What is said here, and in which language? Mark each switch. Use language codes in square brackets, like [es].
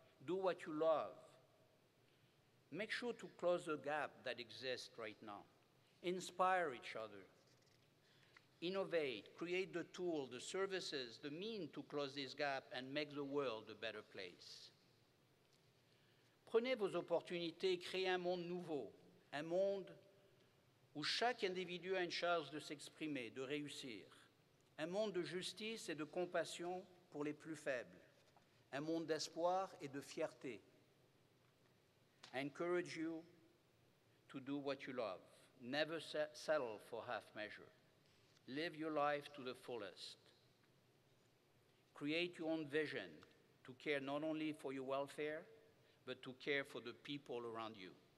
[en] Do what you love. Make sure to close the gap that exists right now. inspire each other, innovate, create the tool, the services, the means to close this gap and make the world a better place. [fr] Prenez vos opportunités, créez un monde nouveau, un monde où chaque individu a une chance de s'exprimer, de réussir, un monde de justice et de compassion pour les plus faibles, un monde d'espoir et de fierté. [en] I encourage you to do what you love. Never settle for half measure. Live your life to the fullest. Create your own vision to care not only for your welfare, but to care for the people around you.